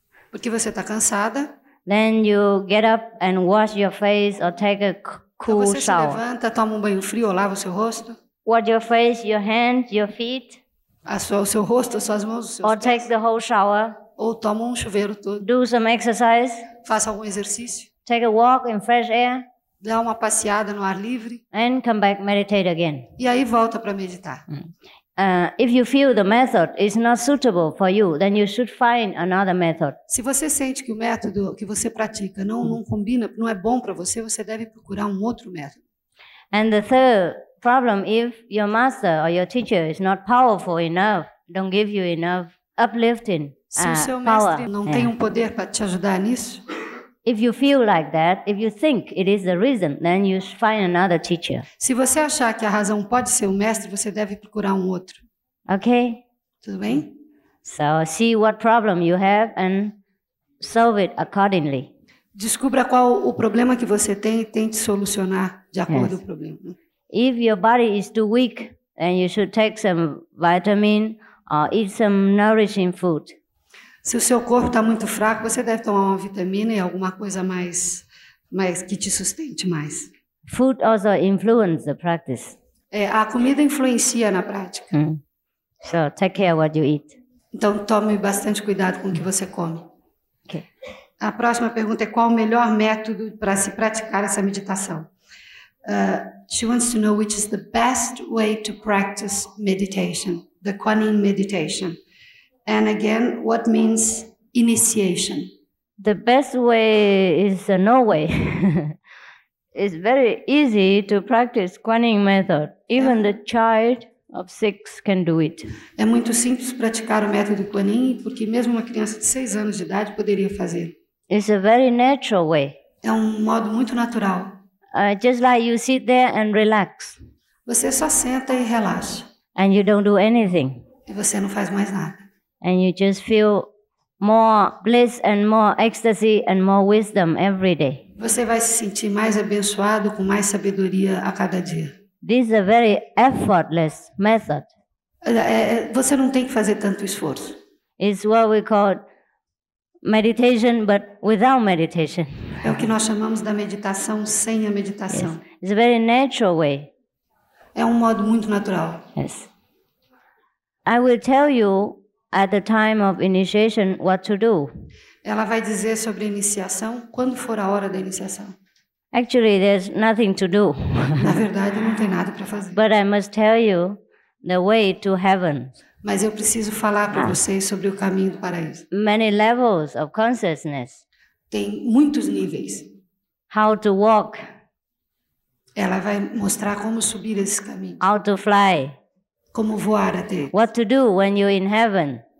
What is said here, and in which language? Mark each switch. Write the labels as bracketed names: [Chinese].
[Portuguese] Porque você está cansada. [English] Then you get up and wash your face or take a cool [Portuguese] então você [English] shower. [Portuguese] Você se levanta, toma banho frio ou lava o seu rosto. [English] Wash your face, your hands, your feet. [Portuguese] O seu rosto, as suas mãos, os seus [English] or [Portuguese] pés. [English] Take the whole shower. [Portuguese] Ou toma um chuveiro todo. [English] Do some exercise. [Portuguese] Faça algum exercício. [English] Take a walk in fresh air. [Portuguese] Dá uma passeada no ar livre. [English] And come back, meditate again. [Portuguese] E aí volta para meditar. [English] If you feel the method is not suitable for you, then you should find another method. [Portuguese] Se você sente que o método que você pratica não combina, não é bom para você, você deve procurar um outro método. [English] And the third problem, if your master or your teacher is not powerful enough, don't give you enough uplifting power. power, [Portuguese] mestre não tem um poder para te ajudar nisso. [English] If you feel like that, if you think it is the reason, then you should find another teacher. [Portuguese] Se você achar que a razão pode ser o mestre, você deve procurar um outro. [English] Okay. [Portuguese] Tudo bem? [English] So see what problem you have and solve it accordingly. [Portuguese] Descubra qual o problema que você tem e tente solucionar de acordo com o problema. [English] If your body is too weak, then you should take some vitamin Eat some nourishing food. [Portuguese] Se o seu corpo está muito fraco, você deve tomar uma vitamina e alguma coisa mais que te sustente mais. [English] Food also influences the practice. [Portuguese] A comida influencia na prática. Mm. [English] So take care what you eat. [Portuguese] Então tome bastante cuidado com o que você come. [English] Okay. [Portuguese] A próxima pergunta é qual o melhor método para se praticar essa meditação? [English] She wants to know which is the best way to practice meditation, the Kuan Yin meditation. And again, what means initiation? The best way is no way. It's very easy to practice Kuan Yin method. Even the child of 6 can do it. [Portuguese] É muito simples praticar o método Kuan Yin, porque mesmo uma criança de 6 anos de idade poderia fazer. [English] It's a very natural way. [Portuguese] É modo muito natural. [English] Just like you sit there and relax. [Portuguese] Você só senta e relaxa. [English] And you don't do anything. [Portuguese] E você não faz mais nada. [English] And you just feel more bliss and more ecstasy and more wisdom every day. [Portuguese] Você vai se sentir mais abençoado, com mais sabedoria a cada dia. [English] This is a very effortless method. [Portuguese] Você não tem que fazer tanto esforço. [English] It's what we call meditation, but without meditation. [Portuguese] É o que nós chamamos da meditação sem a meditação. [English] Yes. It's a very natural way. [Portuguese] É modo muito natural. [English] Yes. I will tell you at the time of initiation what to do. [Portuguese] Ela vai dizer sobre iniciação quando for a hora da iniciação. [English] Actually, there's nothing to do. [Portuguese] Na verdade, não tem nada para fazer. [English] But I must tell you the way to heaven. [Portuguese] Mas eu preciso falar para vocês sobre o caminho do paraíso. [English] Many levels of consciousness. [Portuguese] Tem muitos níveis. [English] How to walk. [Portuguese] Ela vai mostrar como subir esse caminho. [English] How to fly. [Portuguese] Como voar até. [English] What to do when you're in heaven.